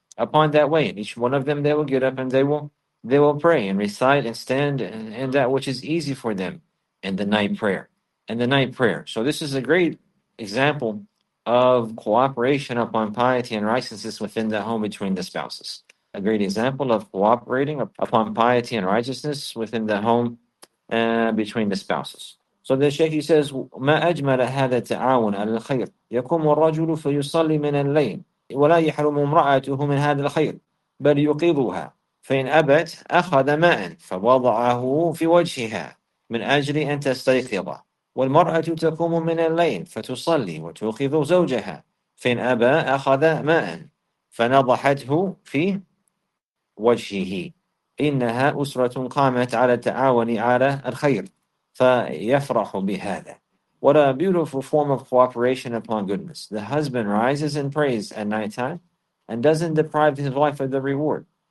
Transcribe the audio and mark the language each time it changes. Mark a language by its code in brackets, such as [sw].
[en] Upon that way, each one of them, they will get up and they will pray and recite and stand in that which is easy for them in the night prayer. And the night prayer. So this is a great example of cooperation upon piety and righteousness within the home between the spouses. A great example of cooperating upon piety and righteousness within the home between the spouses. So the Shaykh, he says, [ar] مَا أَجْمَلَ هَذَا تَعَاوُنَ عَلَى الْخَيْرِ يَكُمُ الرَّجُلُ فَيُصَلِّ مِنَ اللَّيْلِ وَلَا يَحْرُمُ امْرَأَتُهُ مِنْ هَذَا الْخَيْرِ بَلْ يُقِضُهَا فَإِنْ أَبَتْ أَخَذَ مَاءً فَوَضَعَهُ فِي وَجْهِهَا مِنْ أَجْلِ أَنْ تَسْتَيْقِظَ والمرأة تقوم من الليل فتصلي وتوخذ زوجها فإن أبى أخذ ماء فنضحته في وجهه إنها أسرة قامت على التعاون على الخير فيفرح بهذا. [en] What a beautiful form of cooperation upon goodness. The husband rises and prays at night time and doesn't deprive his wife of the reward.